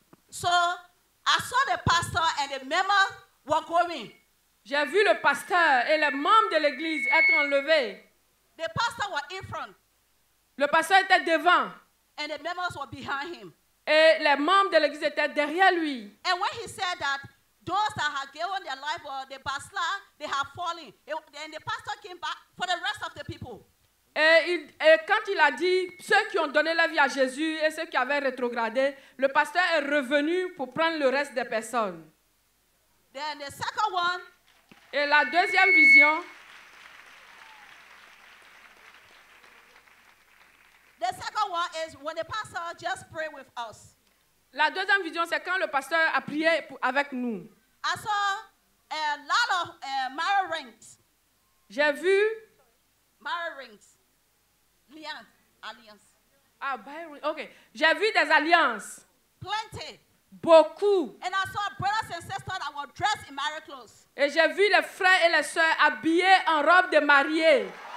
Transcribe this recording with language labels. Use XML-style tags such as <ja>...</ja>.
<en>So, I saw the pastor and the members were going.</en> <fr>J'ai vu le pasteur et les membres de l'église être enlevés.</fr> <en>The pastor was in front.</en> <fr>Le pasteur était devant.</fr> <en>And the members were behind him.</en> <fr>Et les membres de l'église étaient derrière lui.</fr> <en>And when he said that those that had given their life or the pastor, they have fallen. And the pastor came back for the rest of the people.</en> <fr>Et quand il a dit ceux qui ont donné la vie à Jésus et ceux qui avaient rétrogradé, le pasteur est revenu pour prendre le reste des personnes.</fr> <en>Then the second one.</en> <fr>Et la deuxième vision.</fr> <en>The second one is when the pastor just pray with us.</en> <fr>La deuxième vision c'est quand le pasteur a prié avec nous.</fr> <en>I saw a lot of marriage rings.</en> <fr>J'ai vu</fr> <en>marriage rings. Alliance. Ah, marriage. Okay.</en> <fr>J'ai vu des alliances.</fr> <en>Plenty.</en> <fr>Beaucoup.</fr> <en>And I saw brothers and sisters that were dressed in marriage clothes.</en> <fr>Et j'ai vu les frères et les sœurs habillés en robe de mariée.</fr>